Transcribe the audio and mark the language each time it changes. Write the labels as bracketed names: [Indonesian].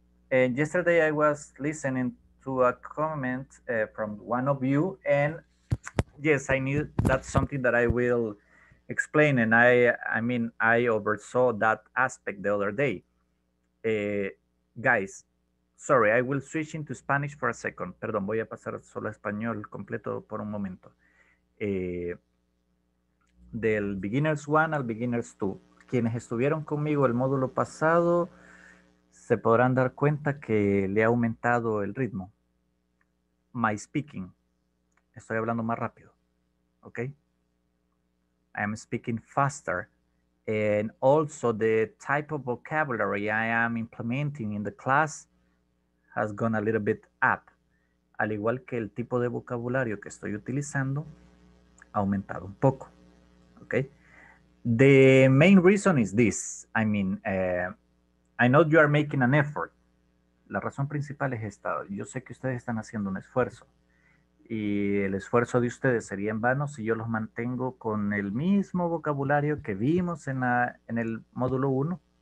[English] And yesterday I was listening to a comment from one of you, and yes, I knew that's something that I will explain, and I mean I oversaw that aspect the other day. Guys, sorry, I will switch into Spanish for a second. [Spanish] Perdón, voy a pasar solo a español completo por un momento. Del beginners one al beginners two, quienes estuvieron conmigo el módulo pasado se podrán dar cuenta que le ha aumentado el ritmo. [English] My speaking. [Spanish] Estoy hablando más rápido. Okay? [English] I am speaking faster. And also the type of vocabulary I am implementing in the class has gone a little bit up. [Spanish] Al igual que el tipo de vocabulario que estoy utilizando, ha aumentado un poco. [English] Okay? The main reason is this. I mean... I know you are making an effort. [Spanish] La razón principal es esta. Yo sé que ustedes están haciendo un esfuerzo. Y el esfuerzo de ustedes sería en vano si yo los mantengo con el mismo vocabulario que vimos en el módulo 1.